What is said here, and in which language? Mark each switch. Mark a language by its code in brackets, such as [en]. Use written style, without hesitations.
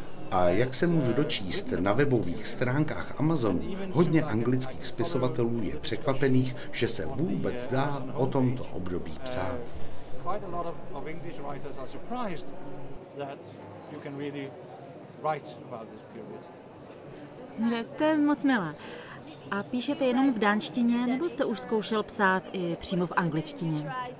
[cs] A jak se můžu dočíst na webových stránkách Amazonu, hodně anglických spisovatelů je překvapených, že se vůbec dá o tomto období psát. [en] Quite a lot of English writers are surprised that you can really write about this period. [cs] Ne, to je moc milé. A píšete jenom v dánštině, nebo jste už zkoušel psát i přímo v angličtině?